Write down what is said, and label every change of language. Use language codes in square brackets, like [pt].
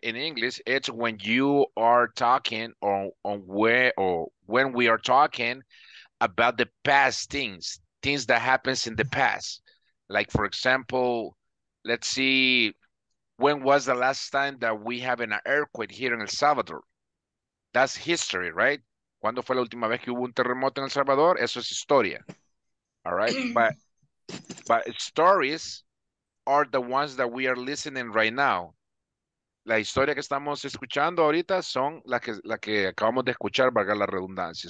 [en] In English, it's when you are talking when we are talking about the past things, things that happens in the past. Like, for example, let's see, when was the last time that we have an earthquake here in El Salvador? That's history, right? [es] ¿Cuándo fue la última vez que hubo un terremoto en El Salvador? Eso es historia. [en] All right? But stories are the ones that we are listening right now. [es] La historia que estamos escuchando ahorita son la que acabamos de escuchar, valga la redundancia.